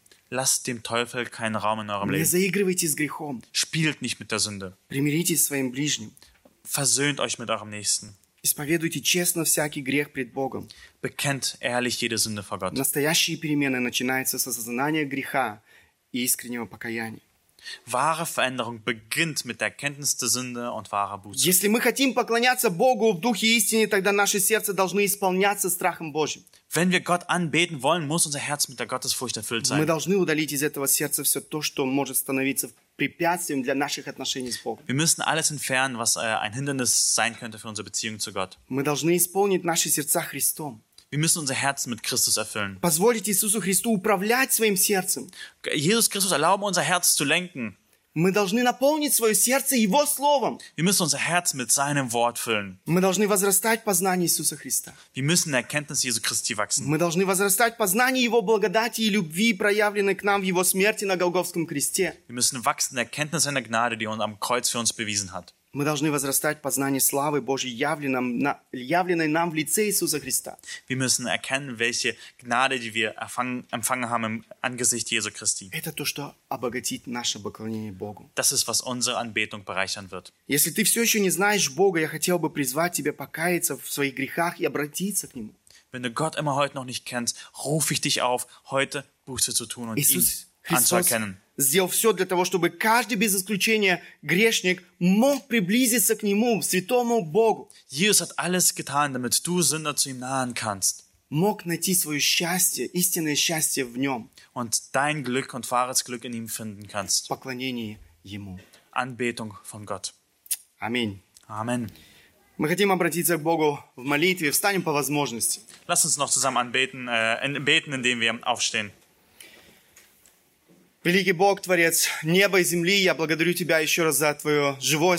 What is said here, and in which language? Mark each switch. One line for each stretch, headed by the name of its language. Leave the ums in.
German: Lasst dem Teufel keinen Raum in eurem Leben. Spielt nicht mit der Sünde.
Russian: Примиритесь с своим
German: versöhnt euch mit eurem Nächsten.
Russian: Исповедуйте честно всякий грех пред Богом.
German: Bekennt ehrlich jede Sünde vor Gott.
Russian: Настоящие перемены начинаются с осознания греха и искреннего покаяния.
German: Wahre Veränderung beginnt mit der Kenntnis der Sünde und wahrer Buße.
Russian: Если мы хотим поклоняться Богу в духе истины, тогда наши сердца должны исполняться страхом Божьим.
German: Wenn wir Gott anbeten wollen, muss unser Herz mit der Gottesfurcht erfüllt sein.
Russian: Мы должны удалить из этого сердца все то, что может становиться препятствием для наших отношений с Богом.
German: Wir müssen alles entfernen, was ein Hindernis sein könnte für unsere Beziehung zu Gott.
Russian: Мы должны исполнить наши сердца Христом.
German: Wir müssen unser Herz mit Christus erfüllen.
Russian: Позвольте Иисусу Христу управлять своим сердцем.
German: Jesus Christus erlauben unser Herz zu lenken.
Russian: Мы должны наполнить свое сердце Его Словом.
German: Wir müssen unser Herz mit seinem Wort füllen.
Russian: Мы должны возрастать познание Иисуса Христа.
German: Wir müssen Erkenntnis Jesu Christi wachsen.
Russian: Мы должны возрастать познание Его благодати и любви, проявленной к нам в Его смерти на Голговском кресте.
German: Wir müssen wachsen in Erkenntnis seiner Gnade, die
Russian: Он
German: am Kreuz für uns bewiesen hat.
Russian: Мы должны возрастать познание славы Божьей, явленной нам, явленной нам в лице Иисуса Христа. мы
German: müssen erkennen, welche Gnade, die wir empfangen haben im Angesicht Jesu Christi.
Russian: Это то, что обогатит наше поклонение Богу.
German: Das ist, was unsere Anbetung bereichern wird.
Russian: Если ты все еще не знаешь Бога, я хотел бы призвать тебя покаяться в своих грехах и обратиться к Нему.
German: Wenn du Gott immer heute noch nicht kennst, rufe ich dich auf, heute Buße zu tun und Иисус Иис, Христос... ihn Христос anzuerkennen
Russian: сделал все для того, чтобы каждый без исключения грешник мог приблизиться к Нему, святому Богу.
German: Иисус hat alles getan, damit du Sünder zu ihm nahen kannst.
Russian: Мог найти свое счастье, истинное счастье в Нем.
German: Und dein Glück und wahres Glück in ihm finden kannst.
Russian: Поклонение Ему.
German: Anbetung von Gott.
Russian: Аминь.
German: Amen. Amen.
Russian: Мы хотим обратиться к Богу в молитве, встанем по возможности.
German: Lass uns noch zusammen anbeten, äh, beten, indem wir aufstehen.
Russian: Великий Бог, Творец неба и земли, я благодарю Тебя еще раз за Твое живое